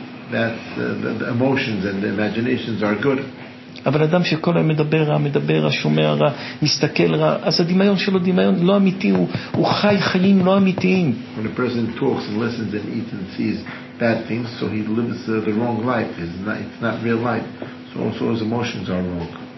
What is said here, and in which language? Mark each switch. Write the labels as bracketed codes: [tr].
[en] So then the emotions and the imaginations are good. [he] אבל אדם שכל היום מדבר רע, מדבר רע, שומע רע, מסתכל רע, אז הדמיון שלו דמיון לא אמיתי, הוא חי חיים לא אמיתיים. [en] When a person talks and listens and eats and sees bad things, so he lives the wrong life. It's not real life. So also his emotions are wrong.